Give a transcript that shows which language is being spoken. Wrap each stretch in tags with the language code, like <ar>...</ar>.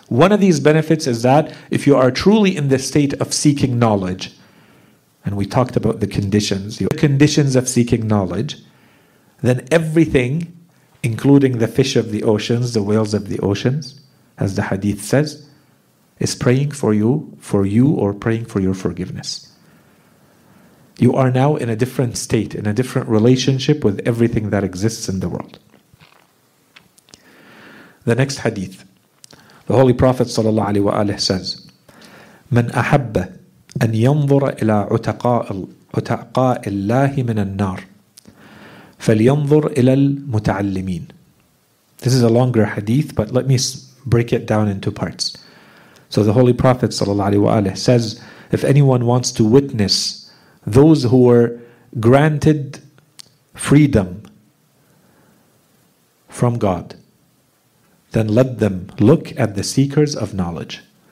<en>One of these benefits is that if you are truly in the state of seeking knowledge, and we talked about the conditions, the conditions of seeking knowledge, then everything, including the fish of the oceans, the whales of the oceans, as the hadith says, is praying for you or praying for your forgiveness. You are now in a different state, in a different relationship with everything that exists in the world. The next hadith, the Holy Prophet sallallahu alaihi wa alihi says,</en> <ar>من أحب أن ينظر إلى عتقاء الله من النار فلينظر إلى المتعلمين.</ar> <en>This is a longer hadith, but let me break it down into parts. So the Holy Prophet ﷺ says, if anyone wants to witness those who were granted freedom from God, then let them look at the seekers of knowledge.</en>